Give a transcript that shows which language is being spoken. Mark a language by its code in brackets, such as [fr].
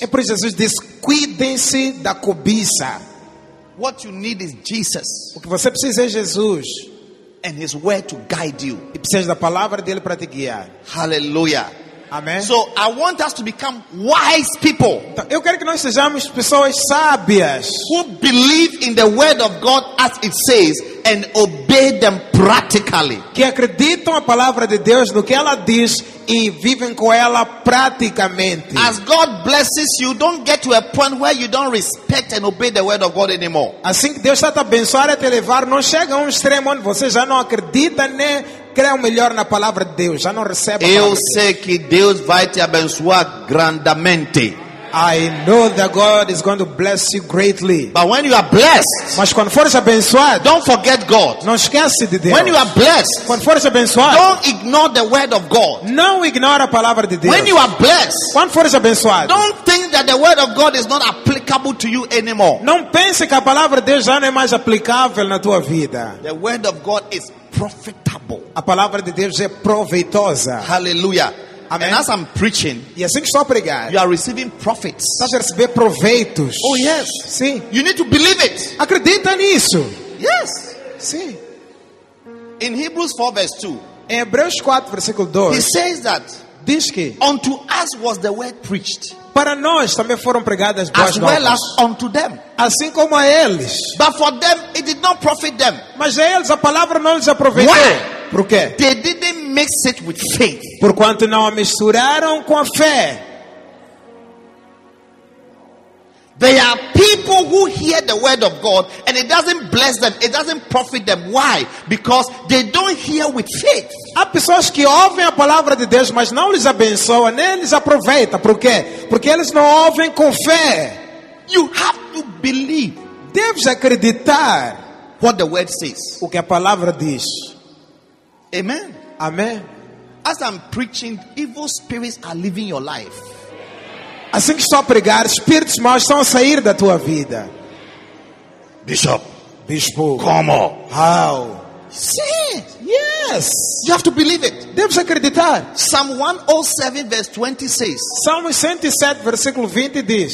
[pt] É por isso que Jesus diz, cuide-se da cobiça. [en] What you need is Jesus. [pt] O que você precisa é Jesus. [en] And his word to guide you. [pt] E precisa da palavra dele para te guiar. Hallelujah. Amen. [en] So I want us to become wise people. [pt] Então, eu quero que nós sejamos pessoas sábias. [en] Who believe in the word of God as it says and obey them practically. [pt] Que acreditam a palavra de Deus no que ela diz e vivem com ela praticamente. [en] As God blesses you, don't get to a point where you don't respect and obey the word of God anymore. [pt] Assim que Deus está te abençoar e te levar, não chega a extremo onde você já não acredita nem creia melhor na palavra de Deus, já não recebe a palavra. Eu sei que Deus vai te abençoar grandemente. [en] I know that God is going to bless you greatly. But when you are blessed, [pt] mas quando fores abençoado, [en] don't forget God. [pt] Não esquece de Deus. [en] When you are blessed, [pt] quando fores abençoado, [en] don't ignore the word of God. [pt] Não ignore a palavra de Deus. [en] When you are blessed, [pt] quando fores abençoado, [en] don't think that the word of God is not applicable to you anymore. [pt] Não pense que a palavra de Deus já não é mais aplicável na tua vida. [en] The word of God is profitable. [pt] A palavra de Deus é proveitosa. Hallelujah. Amen. [en] And as I'm preaching, [pt] yes, assim que estou a pregar, [en] you are receiving profits. [pt] Estás a receber proveitos. [en] Oh yes. [pt] Sim. [en] You need to believe it. [pt] Acredita nisso. [en] Yes. [pt] Sim. [en] In Hebrews 4 verse 2. [pt] Em Hebreus 4 versículo 2. [en] He says that, [pt] diz que, [en] unto us was the word preached. [pt] Para nós também foram pregadas boas [en] novas. As well as unto them. [pt] Assim como a eles. [en] But for them it did not profit them. [pt] Mas a eles a palavra não lhes aproveitou. [en] Why? [pt] Por quê? [en] They didn't mix it with faith. [pt] Porquanto não a misturaram com a fé. [en] There are people who hear the word of God and it doesn't bless them, it doesn't profit them. Why? Because they don't hear with faith. [pt] Há pessoas que ouvem a palavra de Deus, mas não lhes abençoa, nem lhes aproveita. Por quê? Porque eles não ouvem com fé. [en] You have to believe. [pt] Deves acreditar. [en] What the word says. [pt] O que a palavra diz. Amen. Amen. [en] As I'm preaching, evil spirits are leaving your life. [pt] Assim que estou a pregar, espíritos maus estão a sair da tua vida. [en] Bishop. [pt] Bispo. Como? [en] How? [pt] Sim. [en] Yes. You have to believe it. [pt] Deve acreditar. [en] Psalm 107 verse 20 says. [pt] Salmo 107 versículo 20 diz.